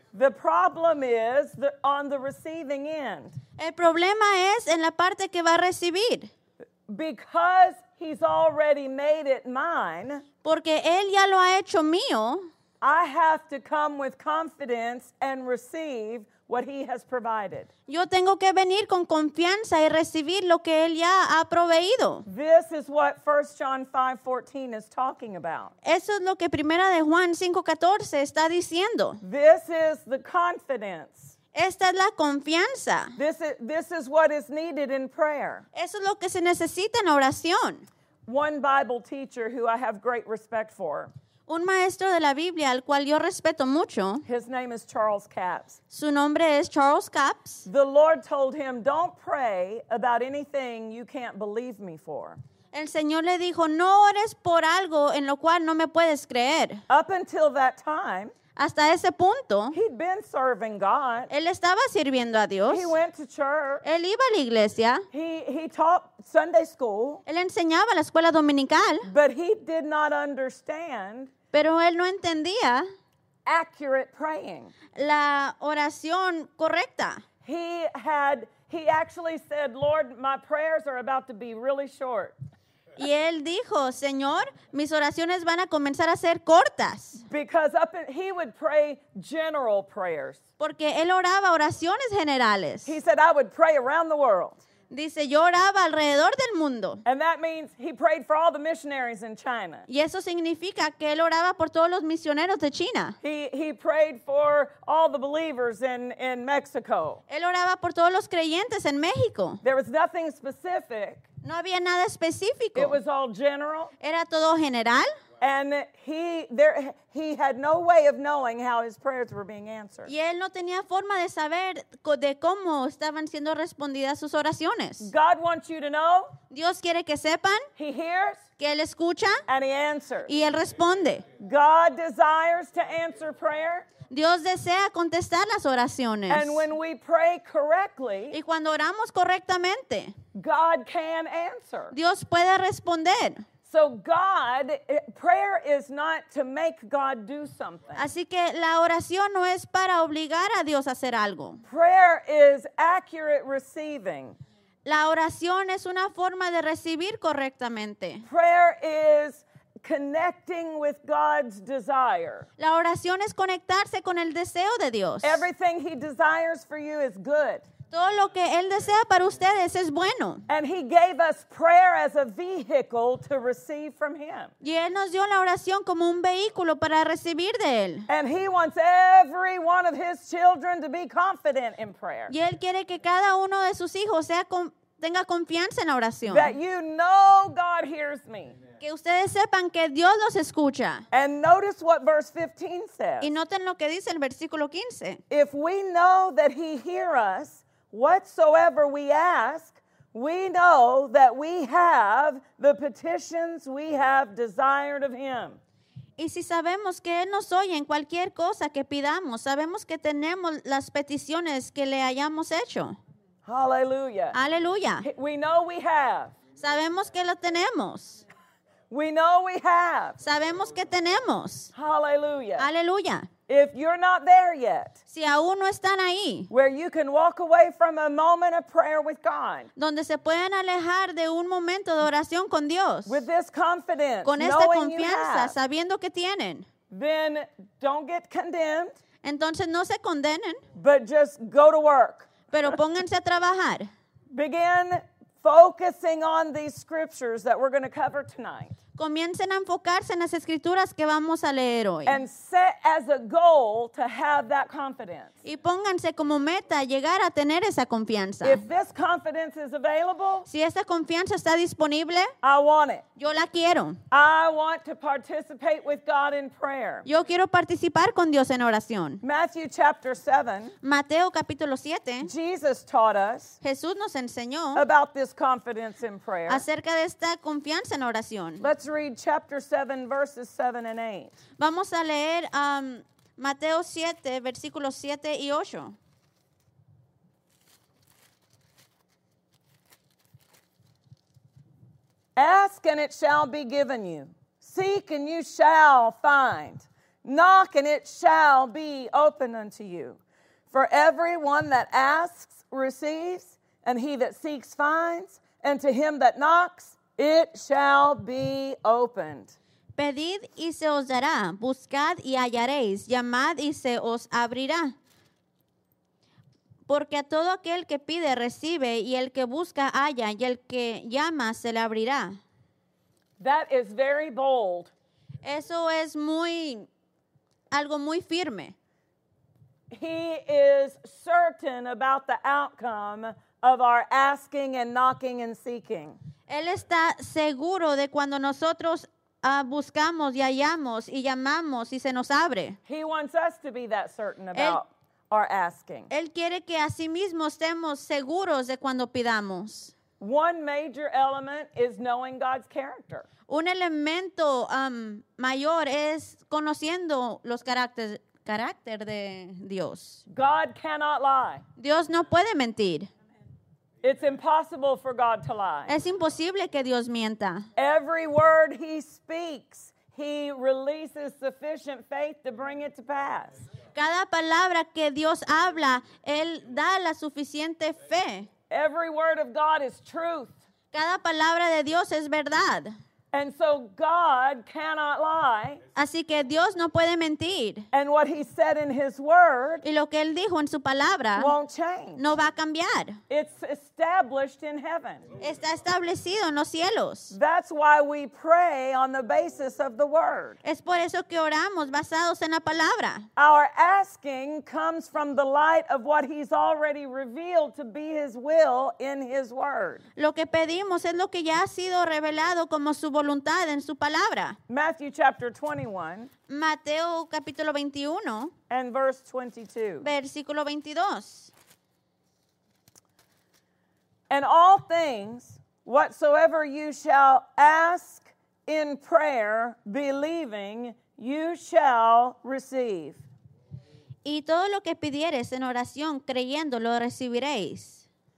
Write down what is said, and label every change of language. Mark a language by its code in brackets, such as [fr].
[en] The problem is on the receiving end. [es] El problema es en la parte que va a recibir. [en] Because he's already made it mine. [es] Porque él ya lo ha hecho mío. [en] I have to come with confidence and receive what he has provided. [es] Yo tengo que venir con confianza y recibir lo que él ya ha proveído. [en] This is what 1 John 5:14 is talking about. [es] Eso es lo que Primera de Juan 5:14 está diciendo. [en] This is the confidence. [es] Esta es la confianza. [en] This is what is needed in prayer. [es] Eso es lo que se necesita en oración. [en] One Bible teacher who I have great respect for. [es] Un maestro de la Biblia al cual yo respeto mucho. [en] His name is Charles Capps. [es] Su nombre es Charles Capps. [en] The Lord told him, "Don't pray about anything you can't believe me for." [es] El Señor le dijo, "No ores por algo en lo cual no me puedes creer." [en] Up until that time, [es] hasta ese punto, [en] he'd been serving God. [es] Él estaba sirviendo a Dios. [en] He went to church. [es] Él iba a la iglesia. [en] He taught Sunday school. [es] Él enseñaba la escuela dominical. [en] But he did not understand. [es] Pero él no entendía [en] accurate praying. [es] La oración correcta. [en] He actually said, "Lord, my prayers are about to be really short." [es] Y él dijo, "Señor, mis oraciones van a comenzar a ser cortas." [en] Because he would pray general prayers. [es] Porque él oraba oraciones generales. [en] He said, "I would pray around the world." [es] Dice, "Yo oraba alrededor del mundo." [en] And that means he prayed for all the missionaries in China. [es] Y eso significa que él oraba por todos los misioneros de China. [en] He prayed for all the believers in Mexico. [es] Él oraba por todos los creyentes en México. [en] There was nothing specific. [es] No había nada específico. [en] It was all general. [es] Era todo general. [en] And he had no way of knowing how his prayers were being answered. [es] Y él no tenía forma de saber de cómo estaban siendo respondidas sus oraciones. [en] God wants you to know. [es] Dios quiere que sepan. [en] He hears. [es] Que él escucha. [en] And he answers. [es] Y él responde. [en] God desires to answer prayer. [es] Dios desea contestar las oraciones. [en] And when we pray correctly, [es] y cuando oramos correctamente, [en] God can answer. [es] Dios puede responder. [en] So God, prayer is not to make God do something. [es] Así que la oración no es para obligar a Dios a hacer algo. [en] Prayer is accurate receiving. [es] La oración es una forma de recibir correctamente. [en] Prayer is connecting with God's desire. [es] La oración es conectarse con el deseo de Dios. [en] Everything he desires for you is good. [es] Todo lo que él desea para ustedes es bueno. [en] And he gave us prayer as a vehicle to receive from him. [es] Y él nos dio la oración como un vehículo para recibir de él. [en] And he wants every one of his children to be confident in prayer. [es] Y él quiere que cada uno de sus hijos tenga confianza en la oración. [en] That you know God hears me. [es] Que ustedes sepan que Dios los escucha. [en] And notice what verse 15 says. [es] Y noten lo que dice el versículo 15. [en] If we know that he hears us, whatsoever we ask, we know that we have the petitions we have desired of him. [es] Y si sabemos que él nos oye en cualquier cosa que pidamos, sabemos que tenemos las peticiones que le hayamos hecho. [en] Hallelujah. [es] Hallelujah. [en] We know we have. [es] Sabemos que lo tenemos. [en] We know we have. [es] Sabemos que tenemos. [en] Hallelujah. [es] Hallelujah. [en] If you're not there yet, [es] si aún no están ahí, [en] where you can walk away from a moment of prayer with God, [es] donde se pueden alejar de un momento de oración con Dios, [en] with this confidence, [es] con esta confianza, sabiendo que tienen, [en] then don't get condemned. [es] Entonces no se condenen, [en] but just go to work. [es] Pero pónganse a trabajar. [en] Begin focusing on these scriptures that we're going to cover tonight. [es] Comiencen a enfocarse en las escrituras que vamos a leer hoy. [en] And set as a goal to have that confidence. [es] Y pónganse como meta llegar a tener esa confianza. [en] If this confidence is available, [es] si esta confianza está disponible, [en] I want it. [es] Yo la quiero. [en] I want to participate with God in prayer. [es] Yo quiero participar con Dios en oración. [en] Matthew chapter 7. [es] Mateo capítulo 7. [en] Jesus taught us. [es] Jesús nos enseñó [en] about this confidence in prayer. [es] Acerca de esta confianza en oración. [en] Let's read chapter 7, verses 7 and 8. [es] Vamos a leer Mateo 7, versículos 7 y 8. [en] Ask and it shall be given you. Seek and you shall find. Knock and it shall be opened unto you. For everyone that asks receives, and he that seeks finds, and to him that knocks, it shall be opened. [es] Pedid y se os dará, buscad y hallaréis, llamad y se os abrirá. Porque a todo aquel que pide recibe, y el que busca halla, y el que llama se le abrirá. [en] That is very bold. [es] Eso es muy, algo muy firme. [en] He is certain about the outcome of our asking and knocking and seeking. [es] Él está seguro de cuando nosotros buscamos y hallamos y llamamos y se nos abre. [en] He wants us to be that certain about our asking. [es] Él quiere que así mismo estemos seguros de cuando pidamos. [en] One major element is knowing God's character. [es] Un elemento mayor es conociendo los carácter de Dios. [en] God cannot lie. [es] Dios no puede mentir. [en] It's impossible for God to lie. [es] Es imposible que Dios mienta. [en] Every word he speaks, he releases sufficient faith to bring it to pass. [es] Cada palabra que Dios habla, él da la suficiente fe. [en] Every word of God is truth. [es] Cada palabra de Dios es verdad. [en] And so God cannot lie. [es] Así que Dios no puede mentir. [en] And what he said in his word, [es] y lo que él dijo en su palabra, [en] won't change. [es] No va a cambiar. [en] It's established in heaven. [es] Está establecido en los cielos. [en] That's why we pray on the basis of the word. [es] Es por eso que oramos basados en la palabra. [en] Our asking comes from the light of what he's already revealed to be his will in his word. [es] Lo que pedimos es lo que ya ha sido revelado como su voluntad en su palabra. [en] Matthew chapter 21. [es] Mateo capítulo 21. [en] And verse 22. [es] Versículo 22. [en] And all things whatsoever you shall ask in prayer, believing, you shall receive. [es] Y todo lo que pidieres en oración, creyendo, lo recibiréis.